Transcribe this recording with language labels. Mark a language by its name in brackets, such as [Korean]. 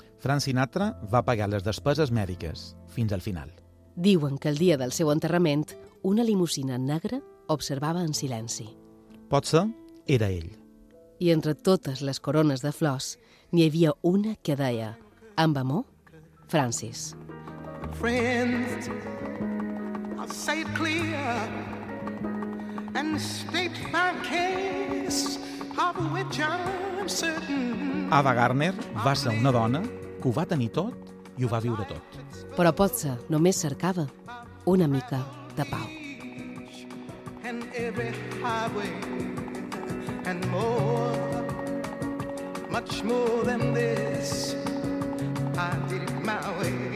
[Catalan] Frank Sinatra va pagar les despeses mèdiques fins al final. Diuen que el dia del seu enterrament, una limusina negra observava en silenci. Potser era ell. I entre totes les corones de flors, n'hi havia una que deia, amb amor, Francis. [English] Friends, I'll say it clear and state my case of which I'm certain. [Catalan] Ava Gardner va ser una dona que ho va tenir tot i ho va viure tot. Però potser només cercava una mica de pau. [English] And every highway and more, much more than this, I did it my way.